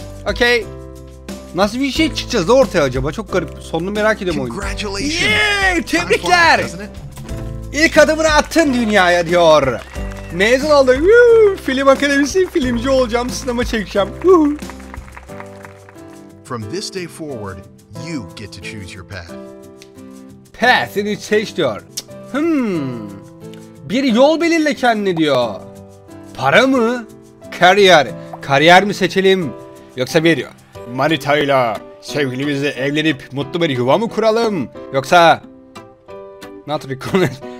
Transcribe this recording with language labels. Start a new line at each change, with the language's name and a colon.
Turkish: Okey. Nasıl bir şey çıkacağız da ortaya acaba? Çok garip. Sonunu merak ediyorum oyunu.
English: Congratulations.
Turkish: Yeah, tebrikler. İlk adımını attın dünyaya diyor. Mezun oldum. Woo, film akademisi, filmci olacağım, sinema çekeceğim. Woo.
English: From this day forward, you get to choose your path.
Turkish: Path'ini seç diyor. Bir yol belirle kendine diyor. Para mı? Kariyer. Kariyer mi seçelim? Yoksa bir manitayla sevgilimizle evlenip mutlu bir yuva mı kuralım? Yoksa...
English: Not recommended.